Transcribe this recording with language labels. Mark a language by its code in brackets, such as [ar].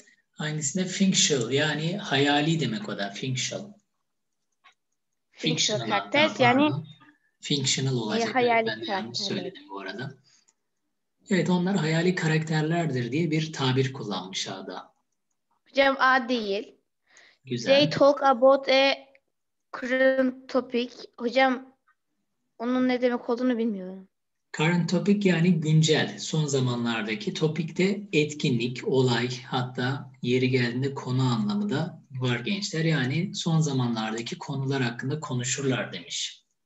[tr] Hangisinde? Functional, yani hayali demek o da. Functional. Functional karakter, yani functional olacak. Hayali karakter. Söyledim bu arada. Evet, onlar hayali karakterlerdir diye bir tabir kullanmış A'da. Hocam A değil. Güzel. [en] They talk about a current topic. [tr] Hocam onun ne demek olduğunu bilmiyorum. Current topic yani güncel, son zamanlardaki. Topic de etkinlik, olay, hatta yeri geldiğinde konu anlamı da var gençler. Yani son zamanlardaki konular hakkında konuşurlar demiş.